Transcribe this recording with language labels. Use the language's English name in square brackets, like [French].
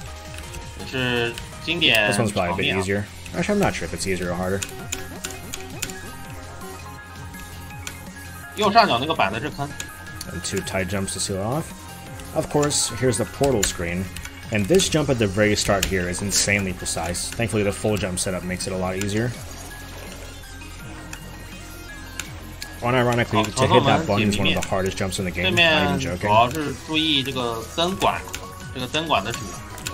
[Chinese] 好，这是六位面。这是经典。 [English] This one's probably a bit easier. Actually, I'm not sure if it's easier or harder. [Chinese] 右上角那个板子是坑。 [English] And two tie jumps to seal off. Of course, here's the portal screen. And this jump at the very start here is insanely precise. Thankfully, the full jump setup makes it a lot easier. Unironically, to hit that button is one of the hardest jumps in the game. I'm not even joking. [Chinese] 主要是注意这个灯管的指令。